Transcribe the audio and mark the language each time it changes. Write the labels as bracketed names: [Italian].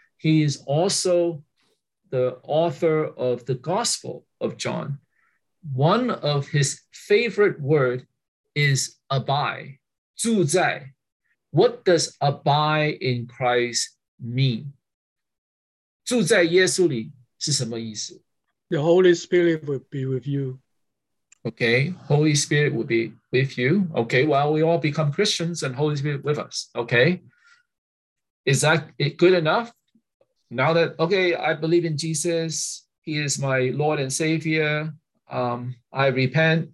[English] He is also the author of the Gospel of John. One of his favorite words is abide, [Chinese] 住在. [English] What does abide in Christ mean? [Chinese] 住在耶稣里是什么意思? [English] The Holy Spirit will be with you. Okay, Holy Spirit will be with you. Okay, well, we all become Christians and Holy Spirit with us. Okay, is that good enough? Now that, okay, I believe in Jesus. He is my Lord and Savior. I repent.